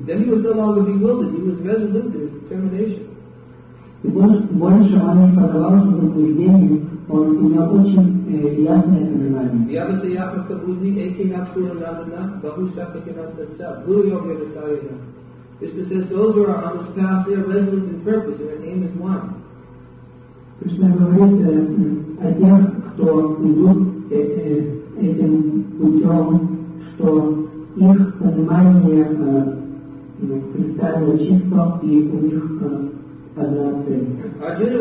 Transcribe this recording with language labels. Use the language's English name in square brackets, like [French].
[English] Then he was no longer bewildered, he was resolute in his determination. [Russian] И больше он не поддавался возбуждению, он имел очень ясное понимание. Вьявасая Пахтабудни, Эйки Напшура Надана, Бабу Сапаки Натаса, Гуру Йога Расарина. [English] Krishna says, those who are on this path, they are resolute in purpose, and their aim is one. [Russian] Krishna говорит, о тех, кто идут этим путем, что их понимание представлено чисто и у них одна